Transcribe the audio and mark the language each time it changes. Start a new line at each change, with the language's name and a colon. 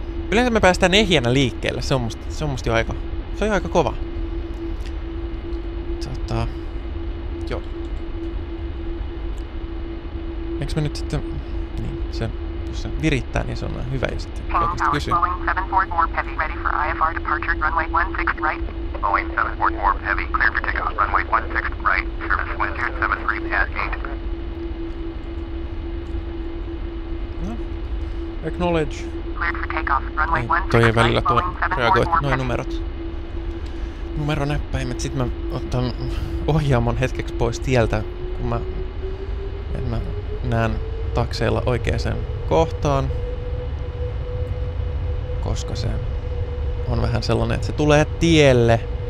Finnish: Yleensä me päästään ehjänä liikkeelle. Se on musta jo aika... Se on jo aika kova. Joo. Eiks mä nyt sitten... Niin, se... Jos se virittää, niin se on hyvä, ja sitten oikeesti kysyy.
English: Boeing 744 Heavy, ready for IFR departure, runway 16 right. Boeing 744 Heavy, clear for takeoff, runway 16 right. Service wind 273 at 8. No. Acknowledge. Cleared for takeoff, runway 16 right.
Finnish: Toi ei välillä tuo reagoi, noin numerot. Numeronäppäimet, sit mä otan ohjaamon hetkeksi pois tieltä, kun mä en mä näen takseilla oikeaan kohtaan, koska se on vähän sellainen, että se tulee tielle.